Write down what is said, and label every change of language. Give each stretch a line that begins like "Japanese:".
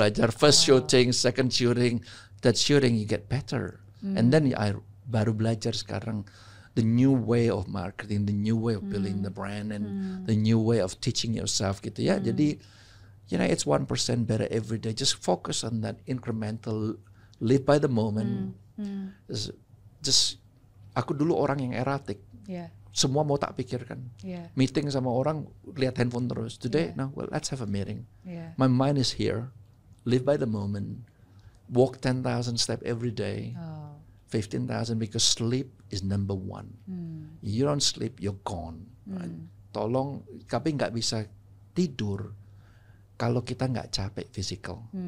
English: First shooting, second shooting. That shooting, you get better. And then I
Indonesian: baru belajar sekarang.
English: the new way of marketing, the new way of building the brand, and the new way of teaching yourself
Indonesian: gitu ya. Jadi,
English: you know, it's 1% better every day. Just focus on that incremental, live by the moment.
Indonesian: Just aku dulu orang yang erratic. Semua mau tak pikirkan. Meeting sama orang lihat handphone terus.
English: Today, no, well, let's have a meeting. My mind is here. Live by the moment. Walk 10,000 steps every day. 15,000 because sleep is number one. You don't sleep, you're gone. Right?
Indonesian: Tolong, tapi enggak bisa tidur kalau kita enggak capek physical.